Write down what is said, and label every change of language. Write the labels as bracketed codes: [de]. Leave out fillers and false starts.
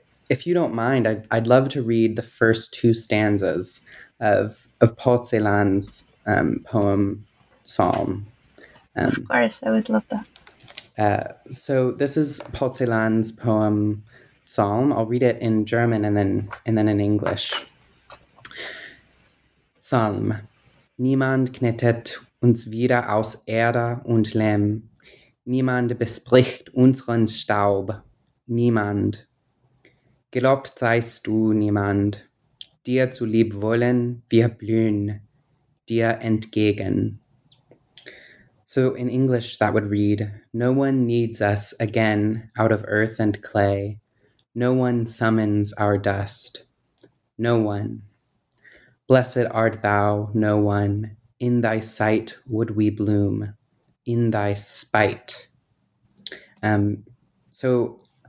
[en] If you don't mind, I'd love to read the first two stanzas of Paul Celan's poem, Psalm. Of course, I would love that. So this is Paul Celan's poem, Psalm. I'll read it in German and then in English. Psalm. [de] Niemand knetet uns wieder aus Erde und Lehm. Niemand bespricht unseren Staub. Niemand. Gelobt seist du, niemand. Dir zu lieb wollen, wir blühen. Dir entgegen. [en] So in English that would read, no one needs us again out of earth and clay. No one summons our dust. No one. Blessed art thou, no one. In thy sight would we bloom, in thy spite. So